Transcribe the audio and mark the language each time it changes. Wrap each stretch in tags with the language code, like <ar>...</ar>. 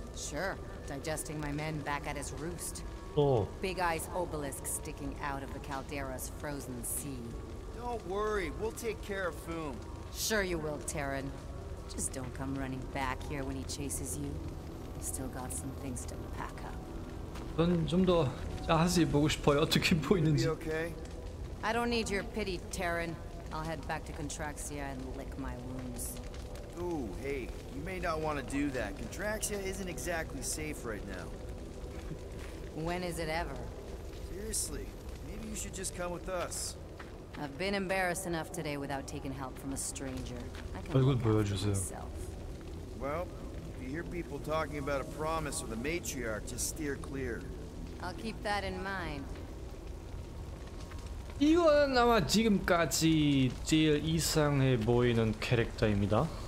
<en>Sure, digesting my men back at his roost. Oh. Big Eye's obelisk sticking out of the caldera's frozen sea. Don't worry, we'll take care of Foom. Sure you will, Terran. Just don't come running back here when he chases you. Still got some things to pack up.</en> <ko>전 좀 더 자세히 보고 싶어요. 어떻게 보이는지.</ko> <en>Okay. I don't need your pity, Terran. I'll head back to Contraxia and lick my wounds. Ooh, hey, you may not want to do that. Contraxia isn't exactly safe right now. When is it ever? Seriously, maybe you should just come with us. I've been embarrassed enough today without taking help from a stranger. I can look after myself. Well, if you hear people talking about a promise or the matriarch, just steer clear. I'll keep that in mind.</en> <ko>이건 아마 지금까지 제일 이상해 보이는 캐릭터입니다.</ko>